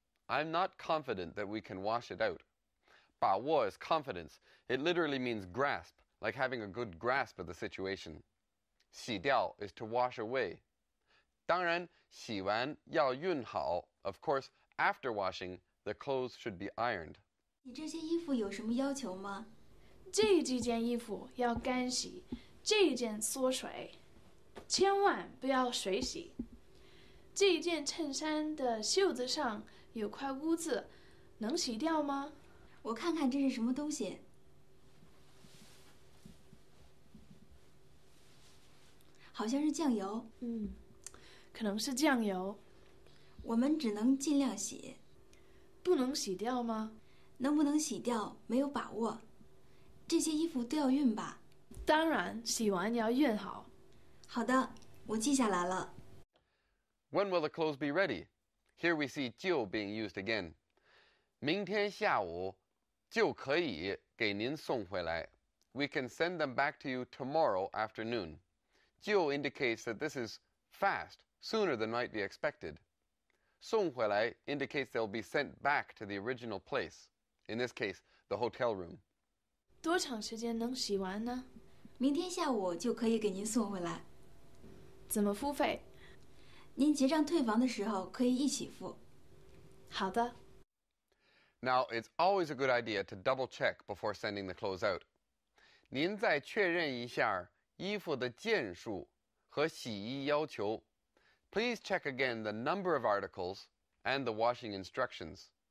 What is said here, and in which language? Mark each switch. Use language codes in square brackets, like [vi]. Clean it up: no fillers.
[en] I'm not confident that we can wash it out. 把握 is confidence. It literally means grasp, like having a good grasp of the situation. 洗掉 is to wash away. [zh] 当然,洗完要熨好. [en] Of course, after washing, the clothes should be ironed. [zh] 你这些衣服有什么要求吗? 这几件衣服要干洗。 这件缩水, 千万不要水洗。这件衬衫的袖子上有块污渍，能洗掉吗？我看看这是什么东西。好像是酱油。可能是酱油。我们只能尽量洗。不能洗掉吗？能不能洗掉没有把握。这些衣服都要熨吧？当然，洗完要熨好。好的，我记下来了。 [en] When will the clothes be ready? Here we see 就 being used again. [zh] 明天下午就可以给您送回来。 [en] We can send them back to you tomorrow afternoon. 就 indicates that this is fast, sooner than might be expected. 送回来 indicates they'll be sent back to the original place. In this case, the hotel room. [zh] 多长时间能洗完呢？明天下午就可以给您送回来。怎么付费？您结账退房的时候可以一起付。好的。 [en] Now, it's always a good idea to double check before sending the clothes out. [zh] 您再确认一下衣服的件数和洗衣要求。 [en] Please check again the number of articles and the washing instructions.